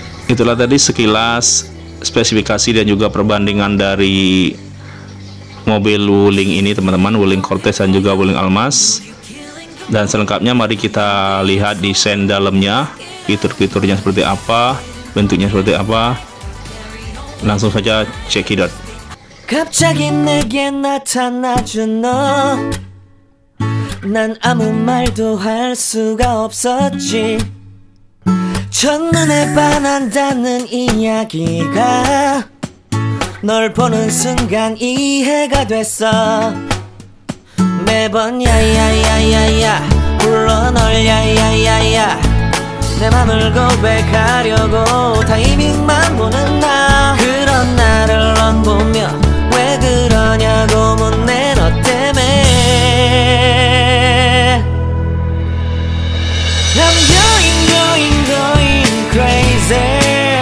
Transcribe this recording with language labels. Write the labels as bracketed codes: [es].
[id] Itulah tadi sekilas spesifikasi dan juga perbandingan dari mobil Wuling ini, teman-teman, Wuling Cortez dan juga Wuling Almas. Dan selengkapnya mari kita lihat desain dalamnya, fitur-fiturnya seperti apa, bentuknya seperti apa. Langsung saja [en] check it out. [ko] 갑자기 내게 나타나준 너, 난 아무 말도 할 수가 없었지. 첫눈에 반한다는 이야기가 널 보는 순간 이해가 됐어. 매번 야야야야야 불러 널 야야야야 내 맘을 고백하려고 타이밍만 보는 나. 그런 나를 넌 보며 왜 그러냐고 묻네. 너 때문에 [en] I'm going going going crazy.